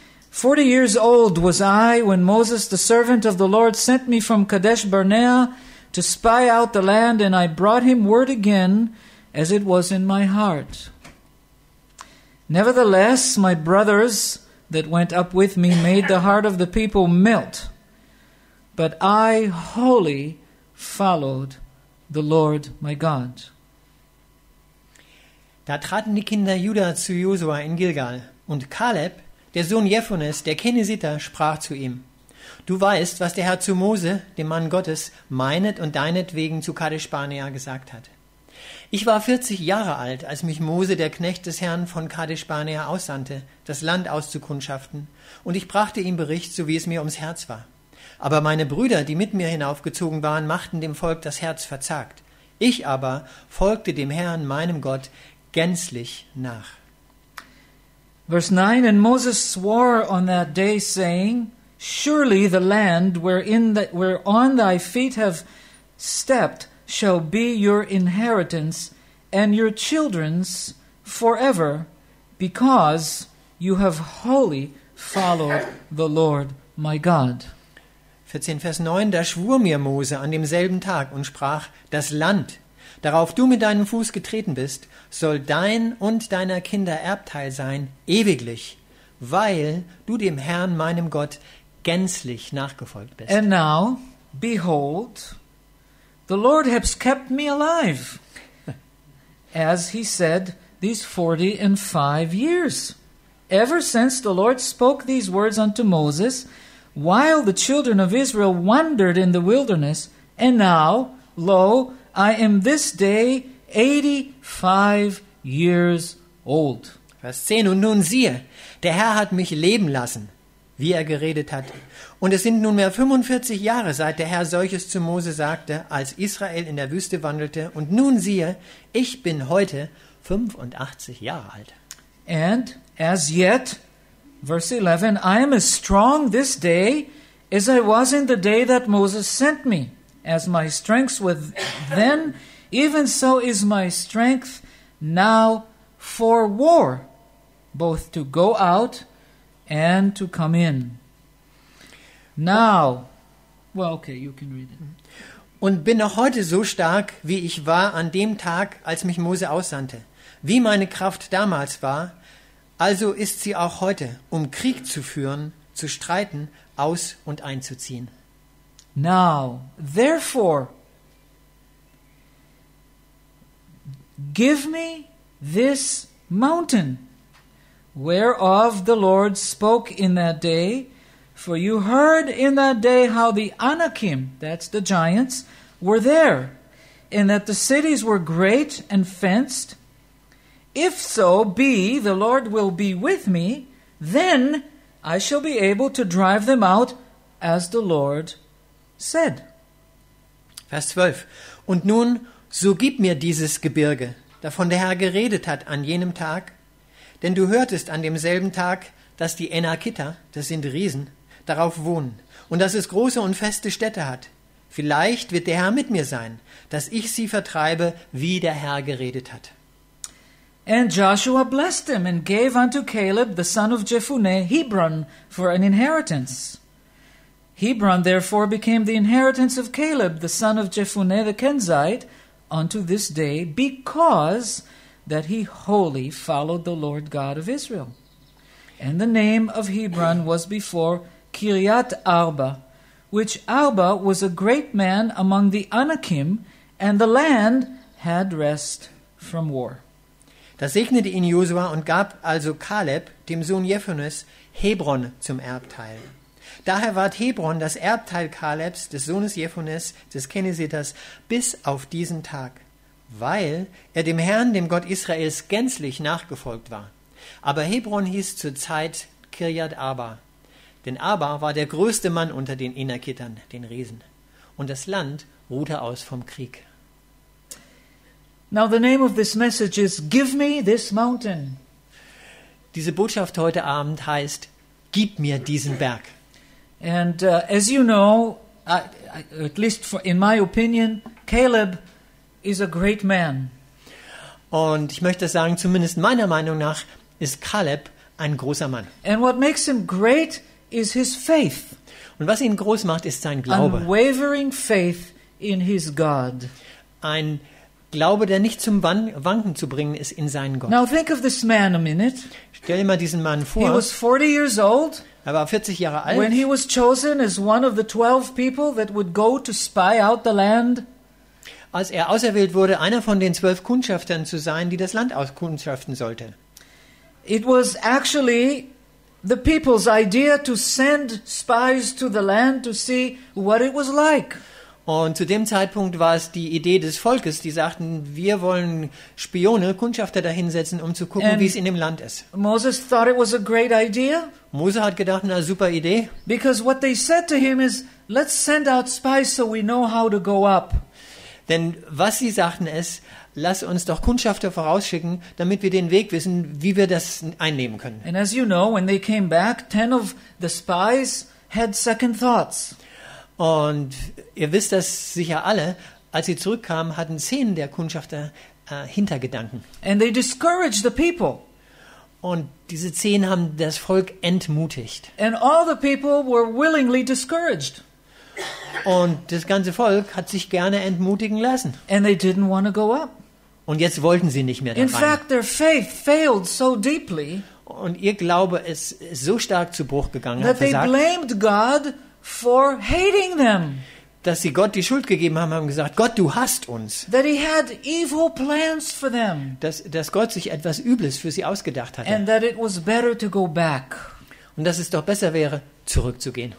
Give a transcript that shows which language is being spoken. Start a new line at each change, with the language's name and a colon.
English: 40 years old was I when Moses, the servant of the Lord, sent me from Kadesh Barnea to spy out the land, and I brought him word again as it was in my heart. Nevertheless, my brothers that went up with me made the heart of the people melt, but I wholly followed the Lord my God.
German: Da traten die Kinder Juda zu Josua in Gilgal, und Kaleb, der Sohn Jephunnes, der Kenesiter, sprach zu ihm, Du weißt, was der Herr zu Mose, dem Mann Gottes, meinet und deinetwegen zu Kadesh Barnea gesagt hat. Ich war 40 Jahre alt, als mich Mose, der Knecht des Herrn, von Kadesh Barnea aussandte, das Land auszukundschaften, und ich brachte ihm Bericht, so wie es mir ums Herz war. Aber meine Brüder, die mit mir hinaufgezogen waren, machten dem Volk das Herz verzagt. Ich aber folgte dem Herrn, meinem Gott, gänzlich nach.
English: Verse 9, And Moses swore on that day, saying, Surely the land whereon thy feet have stepped shall be your inheritance and your children's forever, because you have wholly followed the Lord my God.
German: 14, Vers 9, Da schwur mir Mose an demselben Tag und sprach, Das Land, darauf du mit deinem Fuß getreten bist, soll dein und deiner Kinder Erbteil sein, ewiglich, weil du dem Herrn, meinem Gott, gänzlich nachgefolgt bist.
English: And now, behold, the Lord has kept me alive, as he said, these 45 years. Ever since the Lord spoke these words unto Moses, while the children of Israel wandered in the wilderness, and now, lo, I am this day 85 years old.
German: Vers 10, und nun siehe, der Herr hat mich leben lassen, wie er geredet hat. Und es sind nunmehr 45 Jahre, seit der Herr solches zu Mose sagte, als Israel in der Wüste wandelte. Und nun siehe, ich bin heute 85 Jahre alt.
English: And as yet, verse 11, I am as strong this day as I was in the day that Moses sent me. As my strength was then, even so is my strength now for war. both to go out and to come in. Now, well, okay, you can read it.
German: Und bin noch heute so stark, wie ich war an dem Tag, als mich Mose aussandte. Wie meine Kraft damals war, also ist sie auch heute, um Krieg zu führen, zu streiten, aus- und einzuziehen.
English: Now, therefore, give me this mountain, whereof the Lord spoke in that day, for you heard in that day how the Anakim, that's the giants, were there, and that the cities were great and fenced. If so be the Lord will be with me, then I shall be able to drive them out, as the Lord said.
German: Vers 12. Und nun, so gib mir dieses Gebirge, davon der Herr geredet hat an jenem Tag. Denn du hörtest an demselben Tag, dass die Enakiter, das sind Riesen, darauf wohnen, und dass es große und feste Städte hat. Vielleicht wird der Herr mit mir sein, dass ich sie vertreibe, wie der Herr geredet hat.
English: And Joshua blessed him and gave unto Caleb, the son of Jephunneh, Hebron for an inheritance. Hebron therefore became the inheritance of Caleb, the son of Jephunneh the Kenzite, unto this day, because that he wholly followed the Lord God of Israel. And the name of Hebron was before Kiriat Arba, which Arba was a great man among the Anakim, and the land had rest from war.
German: Da segnete ihn Josua und gab also Kaleb, dem Sohn Jephunnes, Hebron zum Erbteil. Daher ward Hebron das Erbteil Kalebs, des Sohnes Jephunnes, des Kenesiters, bis auf diesen Tag, weil er dem Herrn, dem Gott Israels, gänzlich nachgefolgt war. Aber Hebron hieß zur Zeit Kiriat Arba, denn Arba war der größte Mann unter den Enakitern, den Riesen. Und das Land ruhte aus vom Krieg.
English: Now the name of this message is Give me this mountain.
German: Diese Botschaft heute Abend heißt Gib mir diesen Berg.
English: And as you know, at least for, in my opinion, Caleb is a great man.
German: Und ich möchte sagen, zumindest meiner Meinung nach ist Caleb ein großer Mann.
English: And what makes him great is his faith.
German: Und was ihn groß macht, ist sein Glaube.
English: Unwavering faith in his God.
German: Ein Glaube, der nicht zum Wanken zu bringen ist, in seinen Gott.
English: Now think of this man a minute.
German: Stell dir mal diesen Mann vor.
English: He was 40 years old.
German: Er war 40 Jahre alt.
English: When he was chosen as one of the 12 people that would go to spy out the land.
German: Als er auserwählt wurde, einer von den 12 Kundschaftern zu sein, die das Land auskundschaften sollte.
English: It was actually the people's idea to send spies to the land to see what it was like.
German: Und zu dem Zeitpunkt war es die Idee des Volkes, die sagten, wir wollen Spione, Kundschafter dahinsetzen, um zu gucken, wie es in dem Land ist.
English: Moses thought it was a great idea.
German: Mose hat gedacht, na super Idee.
English: Because what they said to him is, let's send out spies so we know how to go up.
German: Denn was sie sagten ist, lass uns doch Kundschafter vorausschicken, damit wir den Weg wissen, wie wir das einnehmen können.
English: And as you know, when they came back, 10 of the spies had second thoughts.
German: Und ihr wisst das sicher alle, als sie zurückkamen, hatten 10 der Kundschafter Hintergedanken.
English: And they discouraged the people.
German: Und diese 10 haben das Volk entmutigt.
English: And all the people were willingly discouraged.
German: Und das ganze Volk hat sich gerne entmutigen lassen.
English: And they didn't want to go up.
German: Und jetzt wollten sie nicht mehr da rein.
English: In fact, their faith failed so deeply.
German: Und ihr Glaube ist so stark zu Bruch gegangen,
English: that they blamed God for hating them.
German: Dass sie Gott die Schuld gegeben haben, haben gesagt, Gott, du hasst uns.
English: That he had evil plans for them.
German: Dass Gott sich etwas Übles für sie ausgedacht hatte.
English: And that it was better to go back.
German: Und dass es doch besser wäre, zurückzugehen.